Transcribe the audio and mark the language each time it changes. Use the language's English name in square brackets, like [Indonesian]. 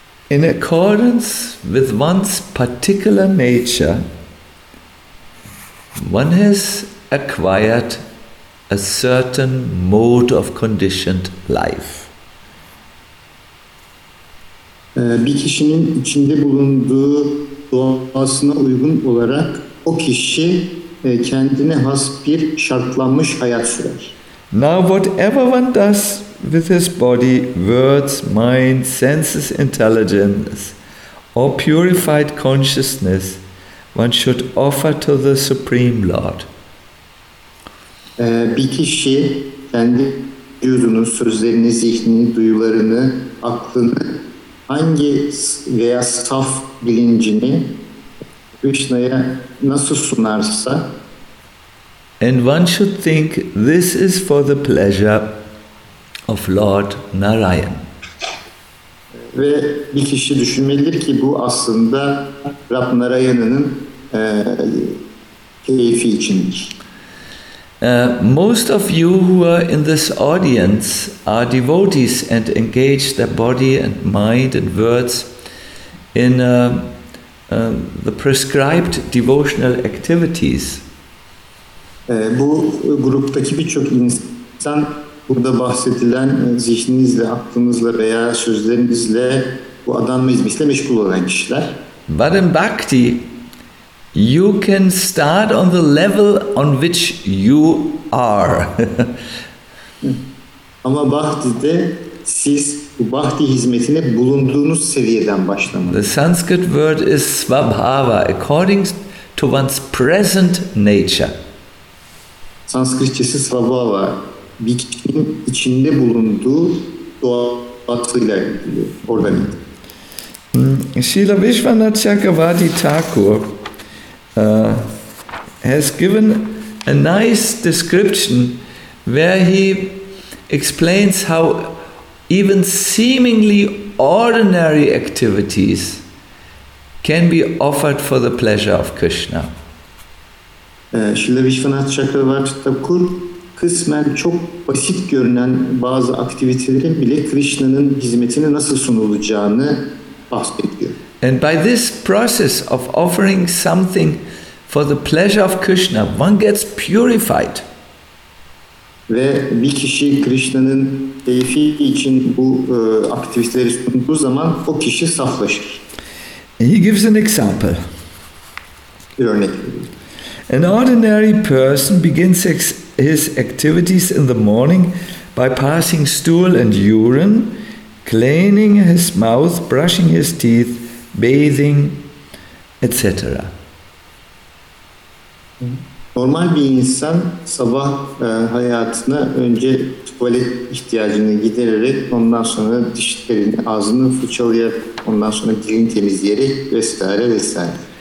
[English] In accordance with one's particular nature, one has acquired a certain mode of conditioned life. [Turkish] Bir kişinin içinde bulunduğu doğasına uygun olarak o kişi kendine has bir şartlanmış hayat sürer. [English] Now whatever one does with his body, words, mind, senses, intelligence, or purified consciousness, one should offer to the Supreme Lord. [Turkish] Bir kişi kendi yüzünü, sözlerini, zihnini, duyularını, aklını, hangi veya saf bilincini Krishna'ya nasıl sunarsa. [English] And one should think this is for the pleasure of Lord Narayan. [Turkish] Ve bir kişi düşünmelidir ki bu aslında Rab Narayan'ın keyfi içindir. [English] Most of you who are in this audience are devotees and engage their body and mind and words in the prescribed devotional activities. [Turkish] Bu gruptaki birçok insan burada bahsedilen zihninizle, aklınızla veya sözlerinizle bu adam hizmetle meşgul olan kişiler. [English] But in bhakti, you can start on the level on which you are. [Turkish] Ama bhakti'de siz bu bhakti hizmetine bulunduğunuz seviyeden başlamalısınız. [English] The Sanskrit word is svabhava, according to one's present nature. [Turkish] Sanskritçesi svabhava, bir kişinin içinde bulunduğu doğasıyla oradan gidiyor. [English] Srila Vishwanath Chakravarti Thakur has given a nice description where he explains how even seemingly ordinary activities can be offered for the pleasure of Krishna. [Turkish] Srila Vishwanath Chakravarti Thakur kısmen çok basit görünen bazı aktivitelerin bile Krishna'nın hizmetine nasıl sunulacağını bahsediyor. [English] And by this process of offering something for the pleasure of Krishna, one gets purified. [Turkish] Ve bir kişi Krishna'nın keyfi için bu aktiviteleri sunduğu zaman o kişi saflaşır. [English] He gives an example. [Turkish] Bir örnek. [English] An ordinary person begins his activities in the morning by passing stool and urine, cleaning his mouth, brushing his teeth, bathing, etc. [Turkish] Normal bir insan sabah hayatına önce tuvalet ihtiyacını gidererek, ondan sonra dişlerini, ağzını fırçalayarak, ondan sonra dilini temizleyerek vesaire vesaire.